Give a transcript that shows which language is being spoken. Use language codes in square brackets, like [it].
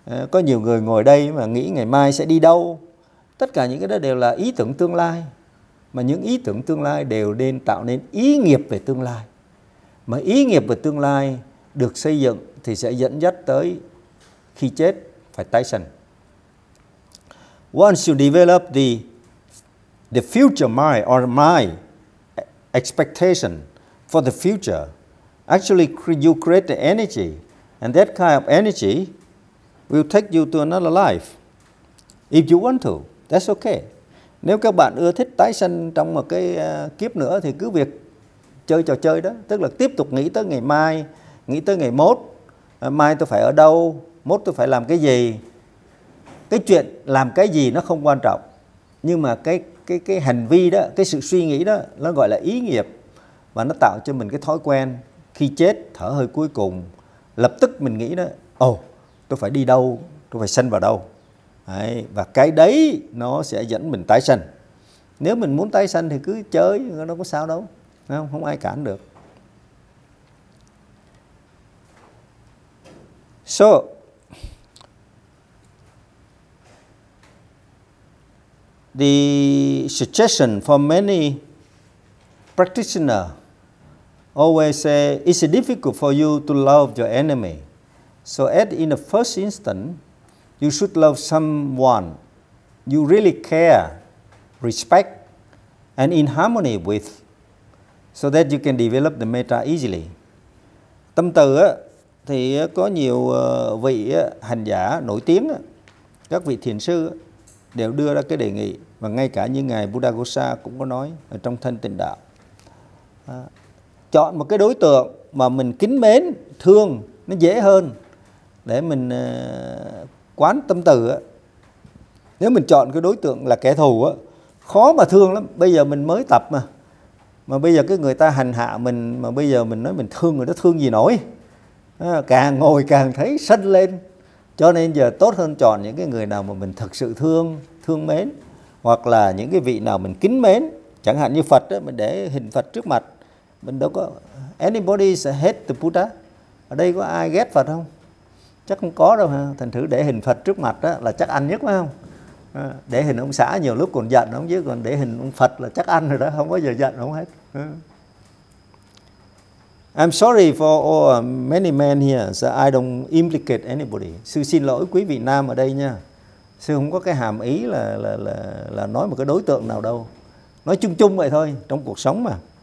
[vi] Có nhiều người ngồi đây mà nghĩ ngày mai sẽ đi đâu. Tất cả những cái đó đều là ý tưởng tương lai. Mà những ý tưởng tương lai đều nên tạo nên ý nghiệp về tương lai. Mà ý nghiệp về tương lai được xây dựng thì sẽ dẫn dắt tới khi chết phải tái sanh. [en] Once you develop the future mind or mind expectation for the future, actually you create the energy, and that kind of energy will take you to another life. If you want to, that's okay. [vi] Nếu các bạn ưa thích tái sanh trong một cái kiếp nữa thì cứ việc chơi trò chơi đó, tức là tiếp tục nghĩ tới ngày mai, nghĩ tới ngày mốt, mai tôi phải ở đâu, mốt tôi phải làm cái gì. Cái chuyện làm cái gì nó không quan trọng, nhưng mà cái hành vi đó, cái sự suy nghĩ đó, nó gọi là ý nghiệp, và nó tạo cho mình cái thói quen khi chết thở hơi cuối cùng, lập tức mình nghĩ đó, tôi phải đi đâu, tôi phải sanh vào đâu. Đấy, và cái đấy nó sẽ dẫn mình tái sanh. Nếu mình muốn tái sanh thì cứ chơi, nó đâu có sao đâu, không ai cản được. [en] So, the suggestion for many practitioners always say, it's difficult for you to love your enemy. So in the first instance, you should love someone you really care, respect, and in harmony with, so that you can develop the metta easily. [vi] Tâm từ thì có nhiều vị hành giả nổi tiếng, các vị thiền sư đều đưa ra cái đề nghị, và ngay cả như ngài Buddha Gosa cũng có nói ở trong thân tịnh đạo, chọn một cái đối tượng mà mình kính mến, thương nó dễ hơn để mình quán tâm từ. Nếu mình chọn cái đối tượng là kẻ thù khó mà thương lắm. Bây giờ mình mới tập mà bây giờ cái người ta hành hạ mình mà bây giờ mình nói mình thương người đó, thương gì nổi. Càng ngồi càng thấy sân lên. Cho nên giờ tốt hơn chọn những cái người nào mà mình thật sự thương, thương mến, hoặc là những cái vị nào mình kính mến. Chẳng hạn như Phật, mình để hình Phật trước mặt Mình đâu có [en] anybody hate the Buddha. [vi] Ở đây có ai ghét Phật không? Chắc không có đâu ha. Thành thử để hình Phật trước mặt đó là chắc ăn nhất phải không? Để hình ông xã nhiều lúc còn giận ông chứ còn để hình ông Phật là chắc ăn rồi đó, không bao giờ giận ông hết. [en] I'm sorry for all many men here, so I don't implicate anybody. [vi] Sư xin lỗi quý vị nam ở đây nha. Sư không có cái hàm ý là nói một cái đối tượng nào đâu. Nói chung chung vậy thôi, trong cuộc sống mà.